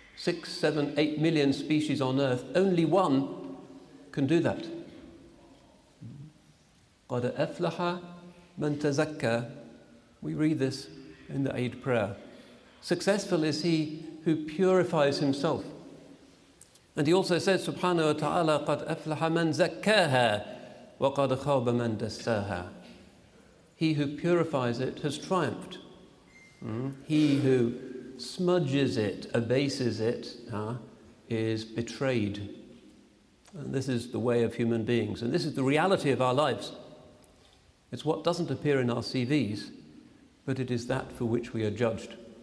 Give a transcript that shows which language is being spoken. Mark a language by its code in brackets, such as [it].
[en] 6, 7, 8 million species on earth, only one can do that. [ar] قَدْ أَفْلَحَ مَنْ تَزَكَّى. [en] We read this in the Eid prayer. Successful is he who purifies himself. And he also says, [ar] subhanahu wa ta'ala, قَدْ أَفْلَحَ مَنْ زَكَّاهَا وَقَدْ خَابَ مَنْ دَسَّاهَا. [en] He who purifies it has triumphed. He who smudges it, abases it, is betrayed. And this is the way of human beings, and this is the reality of our lives. It's what doesn't appear in our CVs, but it is that for which we are judged.